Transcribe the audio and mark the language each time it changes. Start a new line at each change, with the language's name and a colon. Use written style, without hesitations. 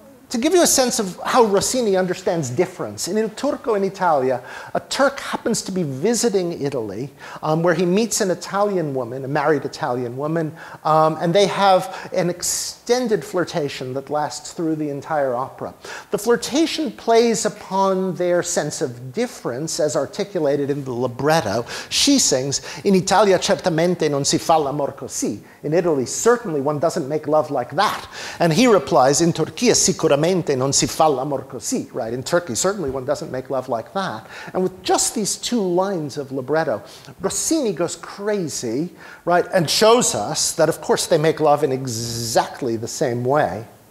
English: To give you a sense of how Rossini understands difference, in Il Turco in Italia, a Turk happens to be visiting Italy, where he meets an Italian woman, a married Italian woman, and they have an extended flirtation that lasts through the entire opera. The flirtation plays upon their sense of difference, as articulated in the libretto. She sings,
Italian: "In Italia certamente non si fa l'amor così."
English: In Italy, certainly one doesn't make love like that. And he replies,
Italian: "In Turchia sicuramente non si fa l'amor così."
English: Right? In Turkey, certainly one doesn't make love like that. And with just these two lines of libretto, Rossini goes crazy, right, and shows us that, of course, they make love in exactly the same way.